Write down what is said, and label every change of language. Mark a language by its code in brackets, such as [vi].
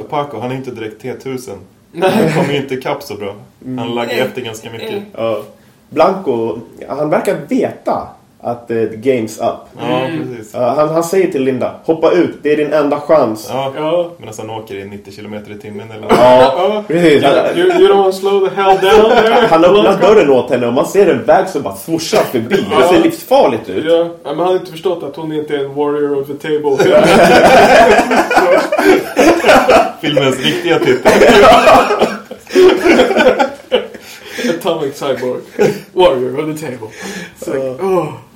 [sv] Och Paco, han är inte direkt T-1000. Nej. Han kommer ju inte kapp så bra. Han lagger efter ganska mycket. Blanco, han verkar veta att [en] the game's up. [sv] Mm. Ja, precis. Han säger till Linda, hoppa ut, det är din enda chans. Ja, men alltså han åker i 90 km i timmen. Eller ja, precis. [en] You don't want to slow the hell down there. [sv] Han öppnar dörren åt henne och man ser en väg som bara swooshar förbi. Ja. Det ser livsfarligt ut. Ja, men han har inte förstått att hon inte är en [en] warrior of the table. [sv] Filmens riktiga titel. Atomic Cyborg Warrior on the table. Så,